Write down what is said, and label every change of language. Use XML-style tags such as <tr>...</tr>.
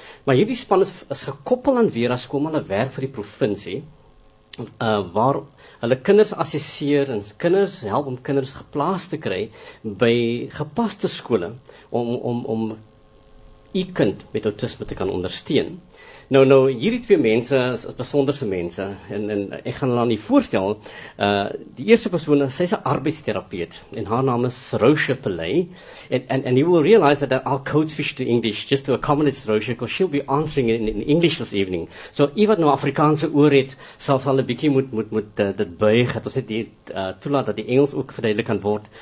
<af>Maar hierdie span is gekoppel aan Vera skool, maar hulle werk vir die provinsie waar hulle kinders assesseer en kinders help om kinders geplaas te kry by gepaste skole om u kind met autisme te kan ondersteun. Nou, hierdie twee mense is besonderse mense en ek gaan hulle aan die voorstel. Die eerste persoon, sy is 'n arbeidsterapeut en haar naam is Rosha Pillay.</af> <en>And you will realize that I'll code switch to English just to accommodate Rosha because she'll be answering in English this evening.</en> <af>So, iemand nou Afrikaanse oor het, sal hulle 'n bietjie moet dit buig, dat ons net toelaat dat die Engels ook verduidelik kan word.</af>